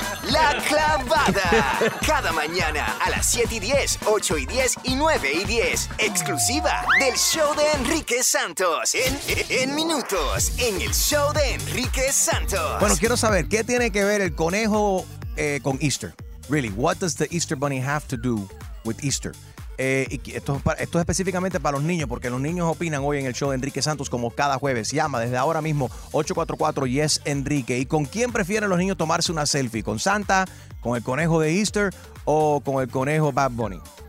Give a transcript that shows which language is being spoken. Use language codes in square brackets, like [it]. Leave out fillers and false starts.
[es] La clavada. Cada mañana a las 7 y 10, 8 y 10 y 9 y 10. Exclusiva del show de Enrique Santos. En minutos, en el show de Enrique Santos. Bueno, quiero saber, ¿qué tiene que ver el conejo con Easter? [en] Really, what does the Easter Bunny have to do with Easter? [es] Esto es específicamente para los niños, porque los niños opinan hoy en el show de Enrique Santos, como cada jueves. Llama desde ahora mismo 844-YES-ENRIQUE. ¿Y con quién prefieren los niños tomarse una selfie? ¿Con Santa, con el conejo de Easter o con el conejo Bad Bunny?